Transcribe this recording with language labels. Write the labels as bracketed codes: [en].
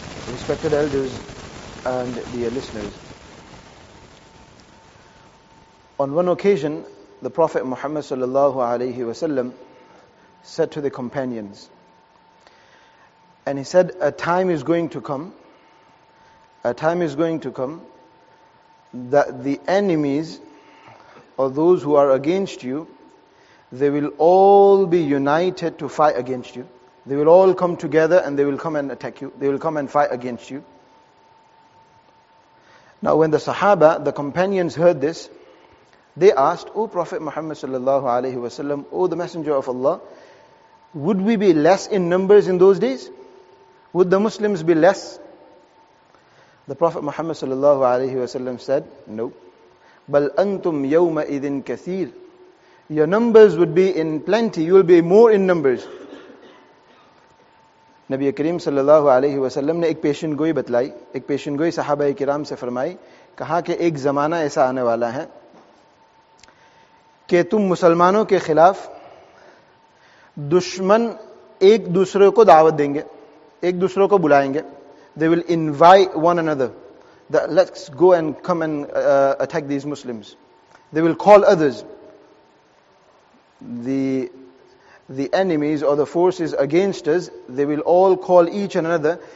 [en] Respected elders and dear listeners, on one occasion the Prophet Muhammad sallallahu alayhi wa sallam said to the companions, and he said, a time is going to come that the enemies or those who are against you, they will all be united to fight against you. They will all come together and they will come and attack you. They will come and fight against you. Now when the Sahaba, the companions heard this, they asked, O Prophet Muhammad sallallahu alayhi wa sallam, O the Messenger of Allah, would we be less in numbers in those days? Would the Muslims be less? The Prophet Muhammad sallallahu alayhi wa sallam said, no. [ar] بَلْ أَنْتُمْ يَوْمَ إِذٍ كَثِيرٍ [en] Your numbers would be in plenty. You will be more in numbers. [ur] نبی کریم صلی اللہ علیہ وسلم نے ایک پیشن گوئی بتلائی ایک پیشن گوئی صحابہ کرام سے فرمائی کہا کہ ایک زمانہ ایسا آنے والا ہے کہ تم مسلمانوں کے خلاف دشمن ایک دوسرے کو دعوت دیں گے ایک دوسرے کو بلائیں گے [en] they will invite one another that let's go and come and attack these Muslims they will call others the enemies or the forces against us, they will all call each another.